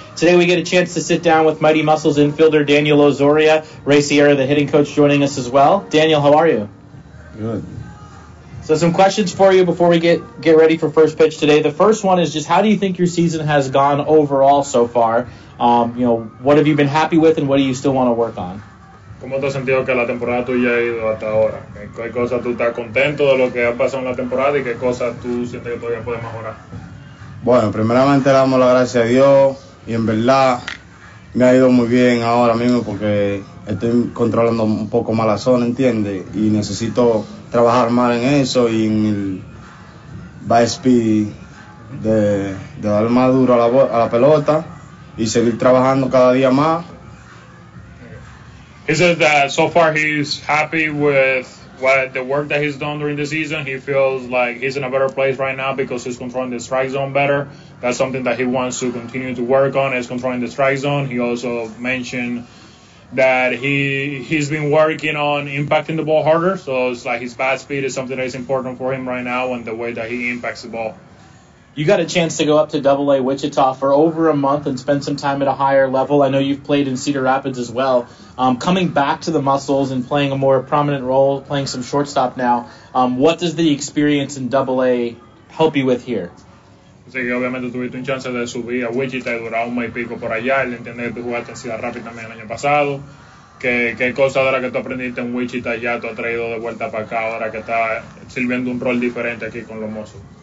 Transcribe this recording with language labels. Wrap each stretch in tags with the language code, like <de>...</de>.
<en>Today we get a chance to sit down with Mighty Muscles infielder Daniel Ozoria, Ray Sierra, the hitting coach, joining us as well. Daniel, how are you? Good. So some questions for you before we get ready for first pitch today. The first one is just how do you think your season has gone overall so far? You know, what have you been happy with and what do you still want to work on?</en> <es>¿Cómo te has sentido que la temporada tuya ha ido hasta ahora? ¿Qué cosas tú estás contento de lo que ha pasado en la temporada y qué cosas tú sientes que todavía puedes mejorar? Bueno, primeramente damos la gracia a Dios y en verdad me ha ido muy bien ahora mismo porque estoy controlando un poco más la zona, ¿entiendes? Y necesito trabajar más en eso y en el base speed de dar más duro a la pelota y seguir trabajando cada día más.</es> <en>He said that so far he's happy with the work that he's done during the season. He feels like he's in a better place right now because he's controlling the strike zone better. That's something that he wants to continue to work on, is controlling the strike zone. He also mentioned that he's been working on impacting the ball harder. So it's like his bat speed is something that is important for him right now and the way that he impacts the ball. You got a chance to go up to AA Wichita for over a month and spend some time at a higher level. I know you've played in Cedar Rapids as well. Coming back to the Muscles and playing a more prominent role, playing some shortstop now, what does the experience in AA help you with here?</en> <es>Sí, obviamente tuviste un chance de subir a Wichita y durar un mes y pico por allá. El entender que jugaste en Cedar Rapids también el año pasado. ¿Qué cosa de la que tú aprendiste en Wichita ya tú has traído de vuelta para acá ahora que está sirviendo un rol diferente aquí con los Muscles?</es>